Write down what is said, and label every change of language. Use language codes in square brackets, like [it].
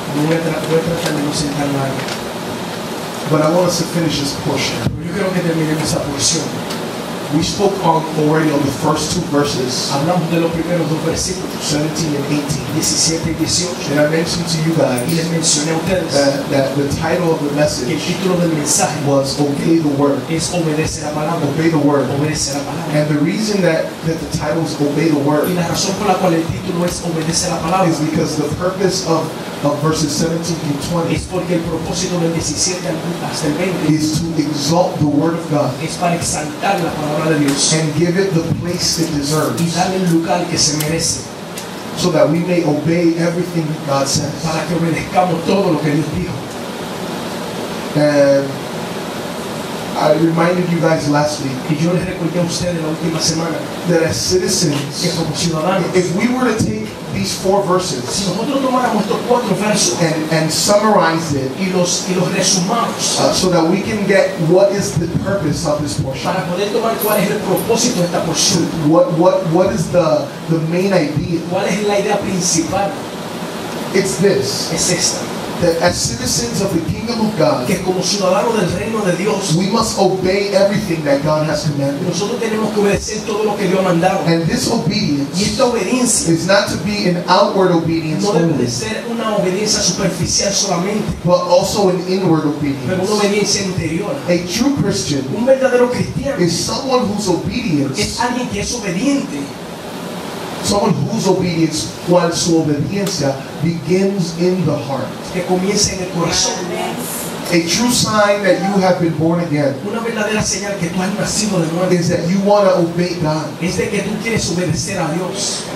[es] No voy a tratar de no ser tan largo. [en] But I want us to finish this portion. [es] Yo quiero que terminemos esa porción. [en] We spoke already on the first two verses. [es] Hablamos de los primeros dos versículos. [en] 17 and 18. [es] 17 y 18. [en] And I mentioned to you guys. [es] Y les mencioné a ustedes. [en] That the title of the message. [es] El título del mensaje. [en] Was obey the word. [es] Es obedece la palabra. [en] Obey the word. [es] Obedece la palabra. [en] And the reason that the title is obey the word. [es] Y la razón por la cual el título es obedece la palabra. [en] Is because the purpose of verses 17 to 20. [es] Es porque el propósito del 17 hasta el 20 [en] is to exalt the word of God. [es] Es para exaltar la palabra de Dios. [en] And give it the place it deserves. [es] Y darle el lugar que se merece. [en] So that we may obey everything that God says. [es] Para que obedezcamos todo lo que Dios dijo. [en] And I reminded you guys last week. [es] Y yo les recordé a ustedes la última semana. [en] That as citizens. [es] Que como ciudadanos. [en] If we were to take these four verses. [es] Si nosotros tomáramos estos cuatro versos. [en] And summarize it. [es] Y los resumamos. [en] So that we can get what is the purpose of this portion. [es] Para poder tomar cuál es el propósito de esta porción. [en] What is the main idea? [es] ¿Cuál es la idea principal? [en] It's this. [es] Es esta. [en] That as citizens of the kingdom of God, [es] que como ciudadanos del reino de Dios, [en] we must obey everything that God has commanded. [es] Nosotros tenemos que obedecer todo lo que Dios ha mandado. [en] And this obedience, [es] y esta obediencia, [en] is not to be an outward obedience only. [es] No debe ser una obediencia superficial solamente. [en] But also an inward obedience. [es] Pero una obediencia interior. [en] A true Christian, [es] un verdadero cristiano, [en] is someone whose obedience, [es] es alguien que es obediente. [en] Someone whose obedience, [es] cual su obediencia, [en] begins in the heart. [es] Que comienza en el corazón. [en] A true sign that you have been born again. [es] Una verdadera señal que tú has nacido de nuevo. [en] Is that you want to obey God. [es] Es de que tú quieres obedecer a Dios.